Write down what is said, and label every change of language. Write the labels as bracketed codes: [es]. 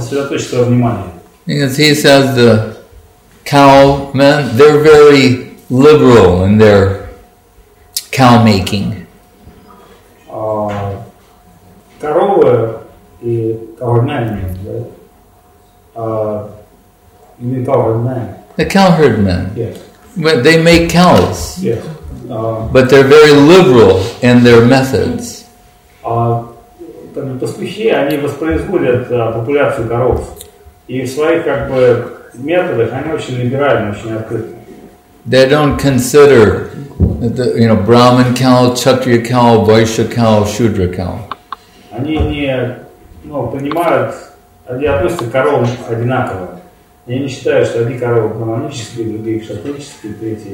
[en] Because he says the cow men, they're very liberal in their cow making. [ru] Коровы и [en] cowherd men, The cowherd men. Yes. But they make cows. Yes. But they're very liberal in their methods. [ru] Пастухи, они воспроизводят популяцию коров. И в своих как бы методах они очень либеральны, очень открыты. [en] They don't consider the, you know, Brahmin cow, Kshatriya cow, Vaishya cow, Shudra cow. [ru] Они не, ну, понимают, они относятся к коровам одинаково. Я не считаю, что одни коровы гармонические, другие кшатрические, третьи